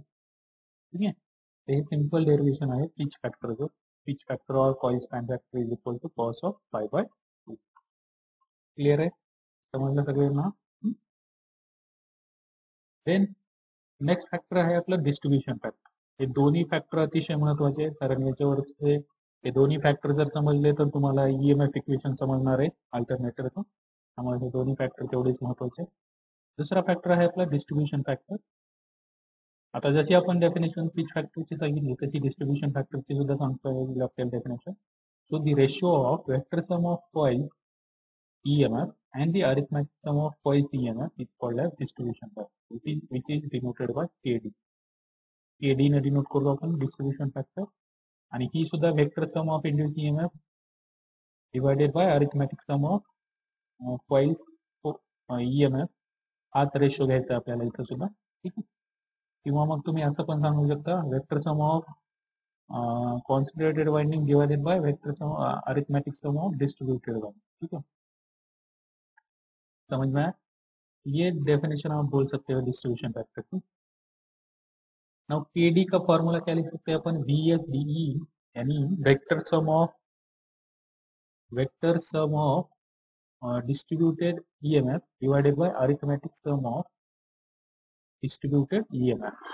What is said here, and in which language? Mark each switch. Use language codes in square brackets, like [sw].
[hi] ठीक है, तो ये सिंपल डेरिवेशन आया पिच फैक्टर का, पिच फैक्टर और coil span factor is equal to cos of five by two. Clear है, समझना सके ना. देन नेक्स्ट फैक्टर है आपका डिस्ट्रीब्यूशन फैक्टर. [mr] ये दोनों फैक्टर अतिशय महत्वाचे आहेत, कारण याच्यावर हे दोन्ही फॅक्टर जर समजले तर तुम्हाला ईएमएफ इक्वेशन समजणार आहे अल्टरनेटरचं. त्यामुळे हे दोन्ही फॅक्टर तेवढेच महत्वाचे. दुसरा फॅक्टर आहे आपला डिस्ट्रीब्युशन फॅक्टर. आता जशी आपण डेफिनेशन पिच फॅक्टरची सांगितली तशी डिस्ट्रीब्युशन फॅक्टरची सुद्धा सांगतो आपल्याला definition. [en] So the ratio of vector sum of coils EMF and the arithmetic sum of coils EMF is called as distribution factor, which is denoted by KD. [mr] KD ने denote करतो आपण distribution factor, आणि ही सुद्धा [en] vector sum of induce EMF divided by arithmetic sum of coils EMF [mr] हाच ratio घ्यायचा आपल्याला इथं सुद्धा. ठीक आहे, किंवा मग तुम्ही असं पण सांगू शकता vector sum of concentrated winding divided by vector sum arithmetic some of distributed winding. [hi] ठीक आहे, समझ में ये डेफिनेशन आप बोल सकते हो डिस्ट्रीब्यूशन फैक्टर की. नाउ केडी का फॉर्मूला क्या लिख सकते हैं अपन, वी एस डी ई यानी [en] Vector sum of distributed EMF divided by arithmetic sum of distributed EMF.